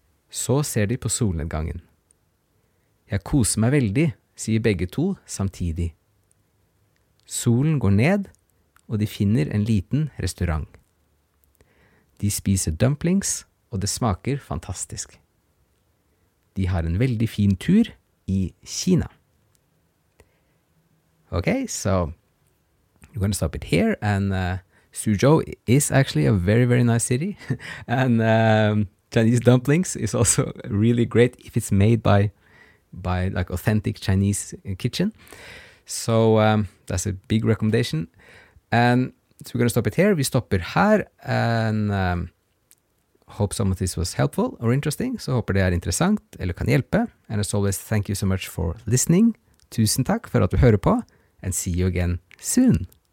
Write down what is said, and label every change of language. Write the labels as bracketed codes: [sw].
[no] Så ser de på solnedgangen. Jeg koser meg veldig, sier begge to samtidig. Solen går ned, og de finner en liten restaurant. De spiser dumplings, og det smaker fantastisk. De har en veldig fin tur i Kina. [en] Okay, so we're going to stop it here. And Suzhou is actually a very, very nice city. And Chinese dumplings is also really great if it's made by like authentic Chinese kitchen. So that's a big recommendation. And so we're going to stop it here. We stop it here and hope some of this was helpful or interesting. [no] So håper det interessant eller kan hjelpe. [en] And as always, thank you so much for listening. [no] Tusen takk for at du hører på. [en] And see you again soon.